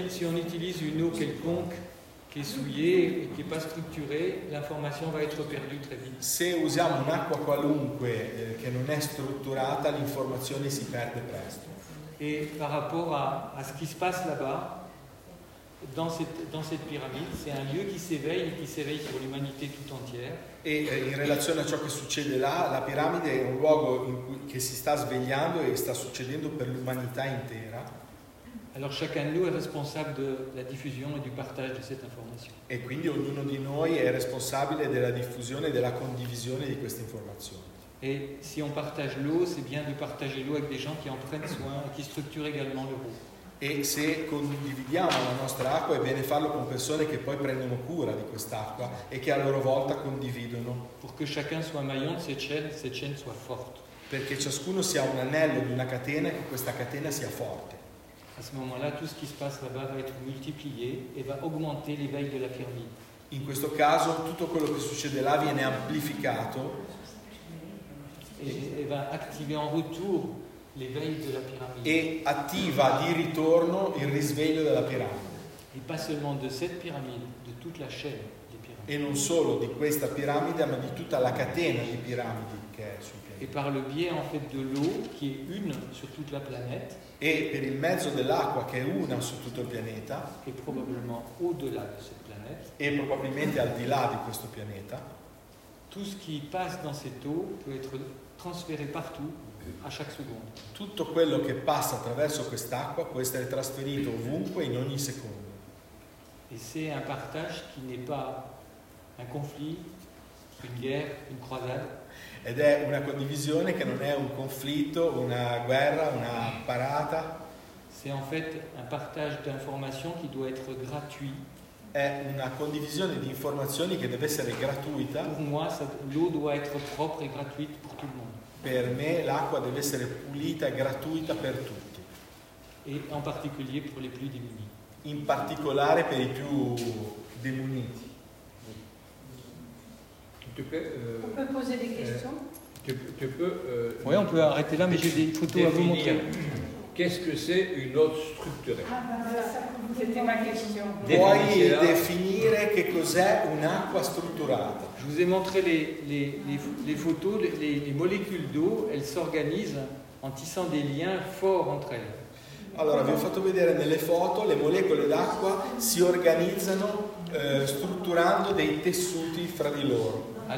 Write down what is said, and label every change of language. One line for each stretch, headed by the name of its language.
French: Se on utilise une eau quelconque qui est souillée e qui n'est pas structurée, l'information va être perdue très vite.
Italian: Se usiamo un'acqua qualunque che non è strutturata, l'informazione si perde presto.
French: Et par rapport à ce qui se passe là-bas, dans cette pyramide, c'est un lieu qui s'éveille et qui s'éveille pour l'humanité tout entière. Et en relation à ce qui succede là, la pyramide est un lieu qui
Italian: si sta svegliando et sta succedendo per l'umanità intera.
French: Alors chacun de nous est responsable de la diffusion et du partage de cette information.
Italian: Et quindi ognuno di noi è responsabile della diffusione e della condivisione di queste informazioni.
French: Et si on partage l'eau, c'est bien de partager l'eau avec des gens qui en prennent soin et qui structurent également le groupe.
Italian: E se condividiamo la nostra acqua, è bene farlo con persone che poi prendono cura di quest'acqua e che a loro volta condividono.
French: Perché chacun soit maillon de cette chaîne soit forte.
Italian: Perché ciascuno sia un anello di una catena e che questa catena sia forte.
French: A ce moment-là, tout ce qui se passe là-bas va être multiplié et va augmenter l'éveil de la pyramide.
Italian: In questo caso, tutto quello che succede là viene amplificato e va attivare in
French: retour l'éveil de la pyramide.
Italian: E attiva di ritorno il risveglio della piramide.
French: E pas seulement de cette pyramide, de toute la chaîne des pyramides.
Italian: E non solo di questa piramide, ma di tutta la catena di piramidi che è sul pianeta.
French: Et par le biais en fait de l'eau qui est une sur toute la planète.
Italian: E per il mezzo dell'acqua che è una su tutto il pianeta.
French: Et probablement au-delà de cette planète.
Italian: E probabilmente al di là di questo pianeta.
French: Tout ce qui passe dans cette eau peut être transféré partout. A chaque secondo.
Italian: Tutto quello che passa attraverso quest'acqua può essere trasferito ovunque in ogni secondo.
French: E c'est un partage qui n'est pas un conflit, une guerre, une croisade.
Italian: Ed è una condivisione che non è un conflitto, una guerra, una parata.
French: C'est en fait un partage d'informations qui doit être gratuit.
Italian: È una condivisione di informazioni che deve essere gratuita.
French: Pour moi, l'eau doit être propre et gratuite pour tout le monde.
Italian: Per me l'acqua deve essere pulita e gratuita per tutti.
French: E en particulier pour les plus démunis.
Italian: In particolare per i più demuniti.
French: On peut poser des questions? Tu peux. Oui, on peut arrêter là, mais j'ai des photos à vous montrer. Qu'est-ce que c'est une eau structurée? C'était ma question.
Italian: Puoi définire che cos'è un'acqua strutturata?
French: Je vous ai montré les photos, les molécules d'eau, elles s'organisent en tissant des liens forts entre elles.
Italian: Allora, vi ho fatto vedere nelle foto le molecole d'acqua si organizzano strutturando dei tessuti fra di loro.